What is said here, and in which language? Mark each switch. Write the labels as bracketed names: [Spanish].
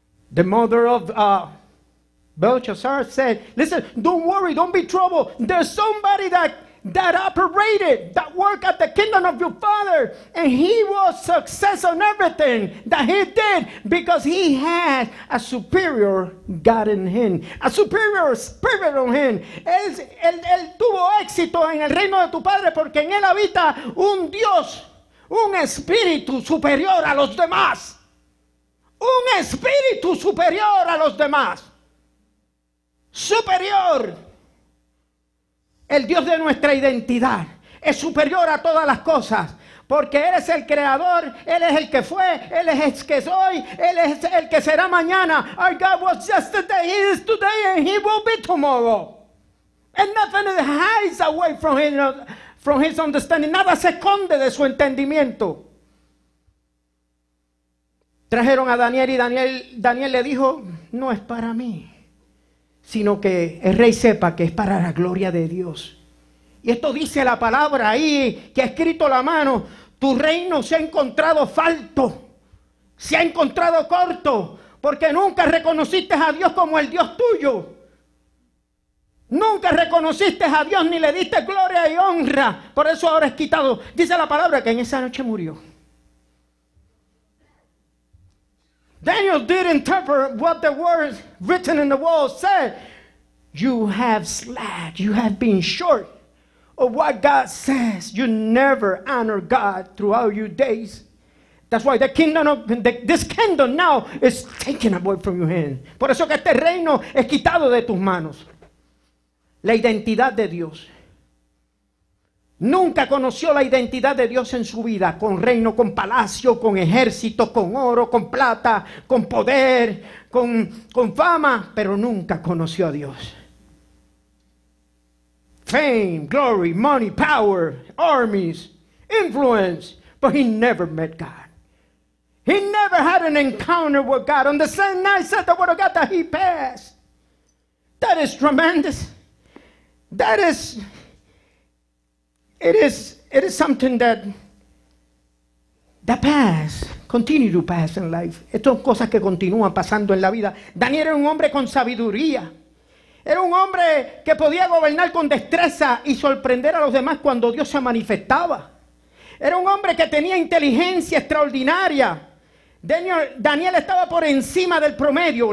[English] The mother of Belshazzar said, listen, don't worry, don't be troubled. There's somebody that operated, that worked at the kingdom of your father, and he was successful on everything that he did because he had a superior God in him, a superior spirit on him. [Spanish] Él tuvo éxito en el reino de tu padre porque en él habita un Dios, un espíritu superior a los demás. Un espíritu superior a los demás. Superior. El Dios de nuestra identidad es superior a todas las cosas, porque Él es el creador, Él es el que fue, Él es el que soy, Él es el que será mañana. [English] Our God was yesterday, He is today, and He will be tomorrow. And nothing hides away from His understanding. [Spanish] Nada se esconde de su entendimiento. Trajeron a Daniel y Daniel le dijo, no es para mí, sino que el rey sepa que es para la gloria de Dios. Y esto dice la palabra ahí, que ha escrito la mano, tu reino se ha encontrado falto, se ha encontrado corto, porque nunca reconociste a Dios como el Dios tuyo. Nunca reconociste a Dios ni le diste gloria y honra, por eso ahora es quitado. Dice la palabra que en esa noche murió. [English] Daniel did interpret what the words written in the wall said. You have slacked. You have been short of what God says. You never honor God throughout your days. That's why this kingdom now is taken away from your hand. [Spanish] Por eso que este reino es quitado de tus manos. La identidad de Dios. Nunca conoció la identidad de Dios en su vida, con reino, con palacio, con ejército, con oro, con plata, con poder, con fama, pero nunca conoció a Dios. [English] Fame, glory, money, power, armies, influence, but he never met God. He never had an encounter with God. On the same night said the word of God that he passed. That is tremendous. It is something that pass, continue to pass in life. [Spanish] Estas son cosas que continúan pasando en la vida. Daniel era un hombre con sabiduría. Era un hombre que podía gobernar con destreza y sorprender a los demás cuando Dios se manifestaba. Era un hombre que tenía inteligencia extraordinaria. Daniel estaba por encima del promedio.